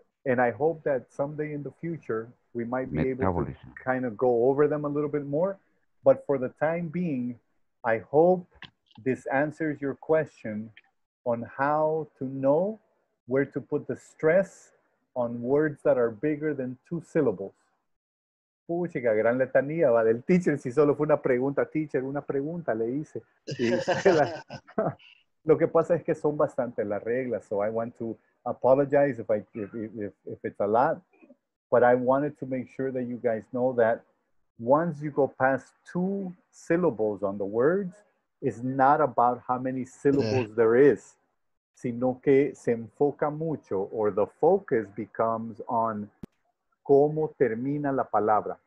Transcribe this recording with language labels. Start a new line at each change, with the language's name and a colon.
English: And I hope that someday in the future, we might be able to kind of go over them a little bit more. But for the time being, I hope this answers your question on how to know where to put the stress on words that are bigger than two syllables.
Spanish: Puchica, gran letanía, va del teacher. Si solo fue una pregunta, teacher, una pregunta le hice. Lo que pasa es que son bastante las reglas.
English: So I want to apologize if it's a lot. But I wanted to make sure that you guys know that once you go past two syllables on the words, it's not about how many syllables there is,
Spanish: sino que se enfoca mucho,
English: or the focus becomes on
Spanish: cómo termina la palabra.